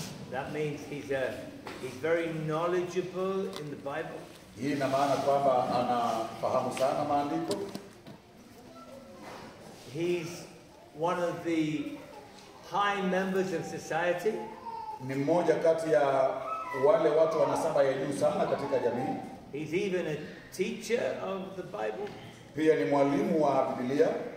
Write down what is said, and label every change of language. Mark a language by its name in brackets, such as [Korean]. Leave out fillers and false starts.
[English] That means he's very knowledgeable in the Bible. [Swahili] Hii ina maana kwamba anafahamu sana maandiko. [English] He's one of the high members of society. [Swahili] Ni mmoja kati ya wale watu wanasaba ya juu sana katika jamii. [English] He's even a teacher of the Bible. [Swahili] Pia ni mwalimu wa Biblia.